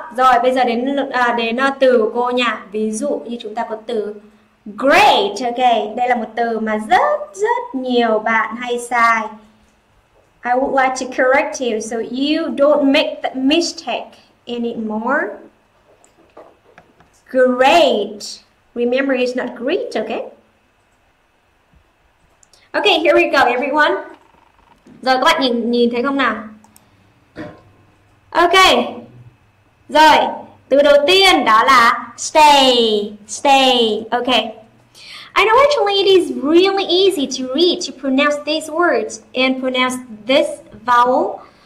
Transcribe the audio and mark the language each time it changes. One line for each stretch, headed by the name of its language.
Vietnamese: Rồi, bây giờ đến đến từ cô nha. Ví dụ như chúng ta có từ great, okay. Đây là một từ mà rất rất nhiều bạn hay sai.
English: I would like to correct you so you don't make that mistake anymore. Great. Remember, it's not great, okay? Okay, here we go, everyone.
Vietnamese: Rồi các bạn nhìn nhìn thấy không nào? Okay. Rồi, từ đầu tiên đó là stay, stay, okay.
English: I know actually it is really easy to read, to pronounce these words and pronounce this vowel.